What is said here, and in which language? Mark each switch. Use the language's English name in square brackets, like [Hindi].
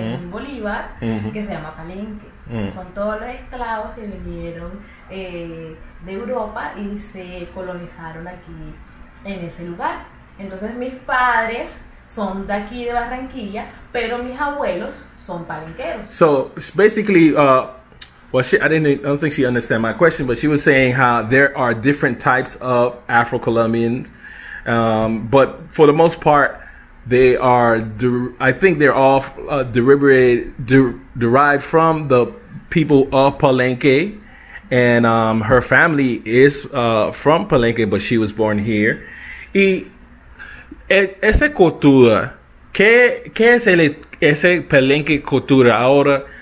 [Spanish] En Bolívar, uh-huh, que se llama Palenque. Uh-huh. Son todos los esclavos que vinieron de Europa y se colonizaron aquí en ese lugar. Entonces mis padres son de aquí, de Barranquilla, pero mis abuelos son palenqueros. [English] So, basically, Well, I don't think she understand my question, but she was saying how there are different types of Afro-Colombian, but for the most part, they are. I think they're all derived from the people of Palenque, and her family is from Palenque, but she was born here. [Spanish] Y esa cultura, ¿qué es ese Palenque cultura ahora?